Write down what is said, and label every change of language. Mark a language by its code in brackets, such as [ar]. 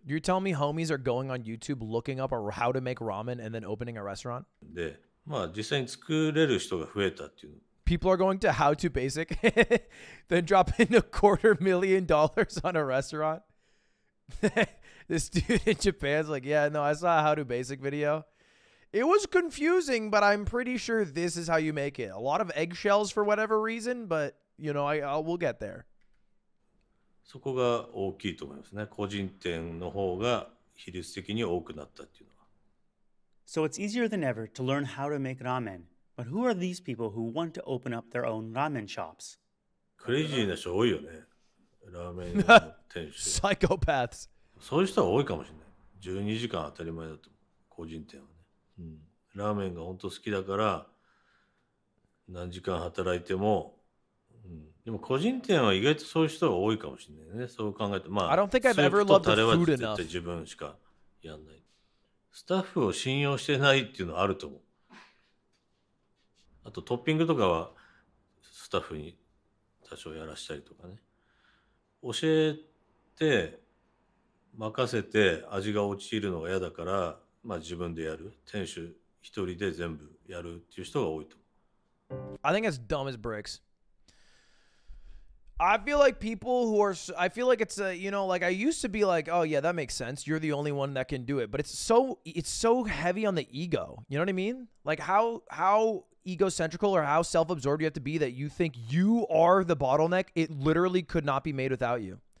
[en] You're telling me homies are going on YouTube looking up how to make ramen and then opening a restaurant? [ja] で、まあ実際に作れる人が増えたっていうの。 [en] People are going to How To Basic, then drop in $250,000 on a restaurant. This dude in Japan's like, yeah, no, I saw a How To Basic video. It was confusing, but I'm pretty sure this is how you make it. A lot of eggshells for whatever reason, but, you know, we'll get there. [ja] そこが大きいと思いますね。個人店の方が比率的に多くなったっていうのは。 [en] So it's easier than ever to learn how to make ramen. But who are these people who want to open up their own ramen shops? [ja] Crazy な人多いよね。ラーメンの店主。 [en] Psychopaths。 [ja] そういう人は多いかもしれない。12時間当たり前だと個人店はね。うん。ラーメンが本当好きだから何時間働いても、うん。でも個人店は意外とそういう人が多いかもしれないね。そう考えて、まあ、 [en] I don't think I've ever loved the food enough. [ja] 絶対自分しかやんない。スタッフを信用してないっていうのはあると思う。あとトッピングとかはスタッフに多少やらしたりとかね。教えて任せて味が落ちるのが嫌だから、まあ自分でやる。店主一人で全部やるっていう人が多いと思う。 [en] I think it's dumb as bricks. I feel like people who are, I feel like it's a, you know, like I used to be like, oh yeah, that makes sense. You're the only one that can do it. But it's so heavy on the ego. You know what I mean? Like how... egocentrical or how self-absorbed you have to be that you think you are the bottleneck, it literally could not be made without you.